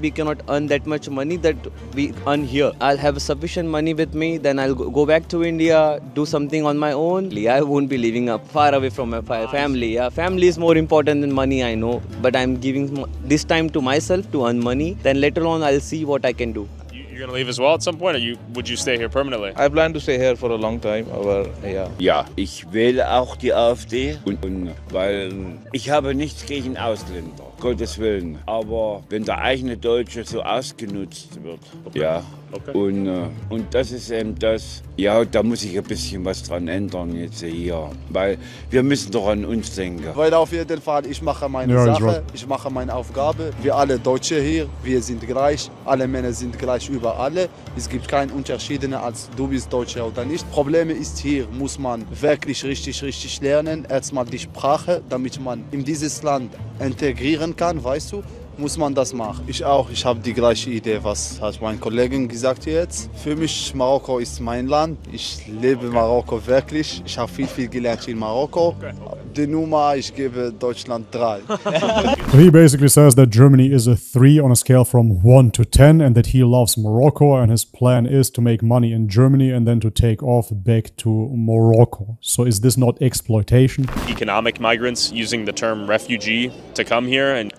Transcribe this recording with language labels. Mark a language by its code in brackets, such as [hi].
[en] We cannot earn that much money that we earn here. I'll have sufficient money with me, then I'll go back to India, do something on my own. I won't be living up far away from my family. Yeah, family is more important than money, I know. But I'm giving this time to myself to earn money, then later on I'll see what I can do. You're gonna leave as well at some point, or would you stay here permanently? I plan to stay here for a long time, but yeah. [de] Ja, ich wähle auch die AfD, weil ich habe nichts gegen Ausländer, Gottes Willen. Aber wenn der eigene Deutsche so ausgenutzt wird, okay. Ja. Okay. Und das ist eben das, ja, da muss ich ein bisschen was dran ändern jetzt hier, weil wir müssen doch an uns denken. Weil auf jeden Fall, ich mache meine Sache, ich mache meine Aufgabe. Wir alle Deutsche hier, wir sind gleich, alle Männer sind gleich über alle. Es gibt keinen Unterschied, als du bist Deutscher oder nicht. Probleme ist hier, muss man wirklich richtig, richtig lernen. Erstmal die Sprache, damit man in dieses Land integrieren kann, weißt du? Muss man das machen. Ich auch, ich habe die gleiche Idee, was hat mein Kollege gesagt jetzt. Für mich, Marokko ist mein Land. Ich lebe Marokko wirklich. Ich habe viel, viel gelernt in Marokko. Okay. die Nummer, ich gebe Deutschland 3. [en] He basically says that Germany is a 3 on a scale from 1 to 10 and that he loves Morocco and his plan is to make money in Germany and then to take off back to Morocco. So is this not exploitation? Economic migrants using the term refugee to come here and...